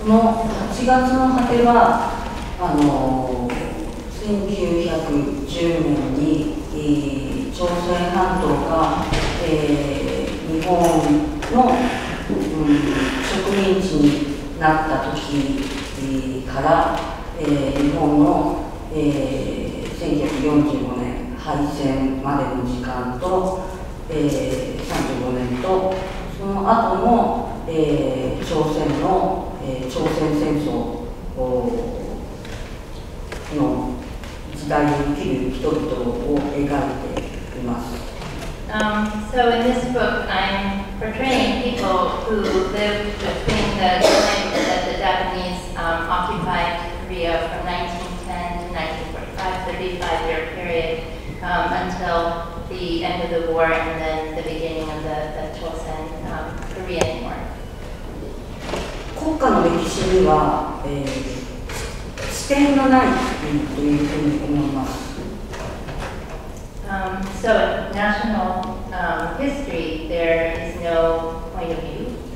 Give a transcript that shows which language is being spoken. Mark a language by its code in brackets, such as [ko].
[ja] この8月の果ては、1910年に、朝鮮半島が、日本の植民地になった時から、日本の、1945年敗戦までの時間と、35年とその後も、朝鮮の、朝鮮戦争の時代に生きる人々を描いています。 [en] So in this book, I'm portraying people who lived between the time that the Japanese occupied Korea from 1910 to 1945, 35-year period, until the end of the war and then the beginning of the Joseon Korean War. [ja] 国家の歴史には、視点のない国というふうに思います。 [en] So, national history, there is no point of view.